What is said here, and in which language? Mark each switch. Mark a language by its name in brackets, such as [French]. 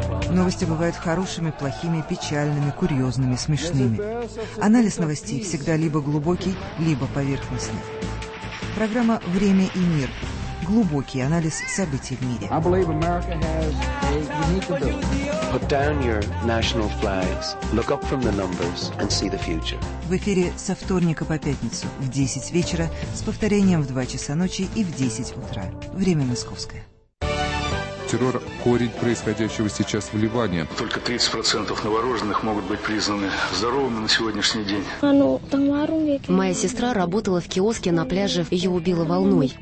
[Russian] Новости бывают хорошими, плохими, печальными, курьезными, смешными. Анализ новостей всегда либо глубокий, либо поверхностный. Программа «Время и мир». Глубокий анализ событий в мире. [English] Put down your national flags, look up from the numbers and see the future. [Russian] В эфире со вторника по пятницу в 10 вечера с повторением в 2 часа ночи и в 10 утра. Время московское. Террор – корень происходящего сейчас в Ливане. Только 30% новорожденных могут быть признаны здоровыми на сегодняшний день. Моя сестра работала в киоске на пляже, ее убило волной.